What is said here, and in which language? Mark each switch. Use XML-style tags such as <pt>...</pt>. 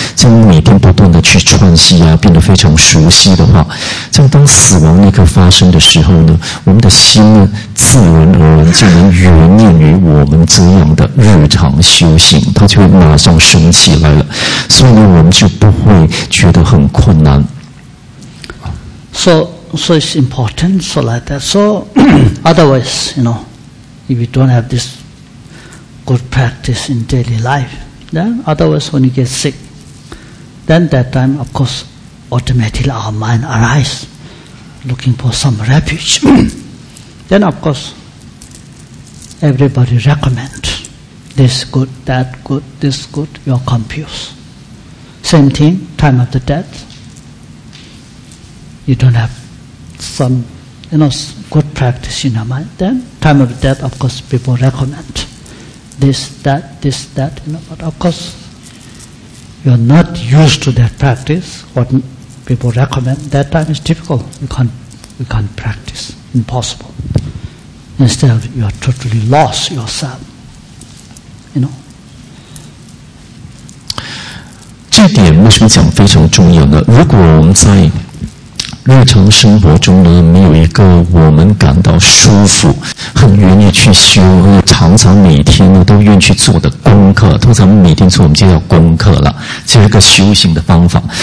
<zh>这样每天不断的去串习啊，变得非常熟悉的话，这样当死亡那刻发生的时候呢，我们的心呢，自然而然就能圆念于我们这样的日常修行，它就会马上升起来了。所以呢，我们就不会觉得很困难。</zh> <en>So it's important, so like that. So otherwise, you know, if you don't have this good practice in daily life, then otherwise when you get sick, then that time, of course, automatically our mind arises, looking for some refuge. Then, of course, everybody recommends this good, that good, this good, you're confused. Same thing, time of the death, you don't haveSome, you know, good practice in your mind. Then, time of death, of course, people recommend this, that, you know. But of course, you're not used to that practice. What people recommend, that time is difficult. You can't practice. Impossible. Instead, you are totally lost yourself. You know.</en> <zh>这点为什么讲非常重要呢？如果我们在日常生活中呢，没有一个我们感到舒服很愿意去修，常常每天呢都愿意去做的功课，通常每天做我们就叫功课了，这是一个修行的方法。</zh>